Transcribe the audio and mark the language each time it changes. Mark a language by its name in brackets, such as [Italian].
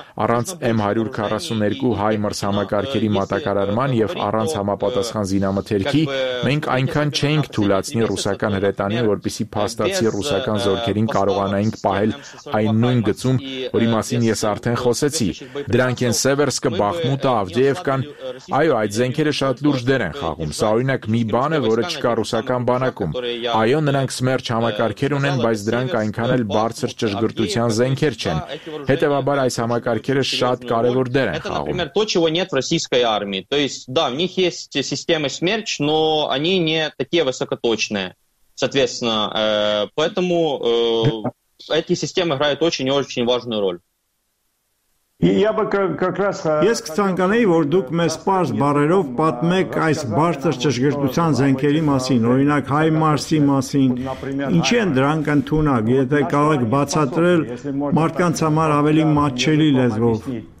[Armenian] առանց M142 հայ մրցահամակարգերի մատակարարման եւ առանց համապատասխան զինամթերքի, մենք այնքան չենք թույլատրի ռուսական հրետանին, որպեսի փաստացի ռուսական զորքերին կարողանայինք պահել այն նույն գծում, որի մասին ես արդեն խոսեցի։ Դրանք են Սևերսկը, Բախմուտը, Ավդիևկան։ Այո, այդ զենքերը շատ լուրջ դեր են խաղում։ Սա օրինակ մի բան է, որը չկա ռուսական բանակում։ Այո, նրանք Սմերջ համակարգեր ունեն, բայց դրանք այնքան էլ բարձր ճշգրտության զենքեր չեն։ Հետևաբար այս համակարգերը շատ կարևոր դեր են խաղում։ [Russian] Например, то чего нет в российской армии. То есть, да, у них есть системы Смерч, но они не такие высокоточные. Соответственно, поэтому эти системы играют очень-очень важную роль. [Armenian] Ես կցանկանեի, որ դուք մեզ պարզ բարերով պատմեք այս բարձր ճշգրտության զենքերի մասին, օրինակ հայ մարսի մասին, ինչի են դրանք ընդունակ, եթե կարող բացատրել մարդկանց համար ավելի մատչելի լեզվով։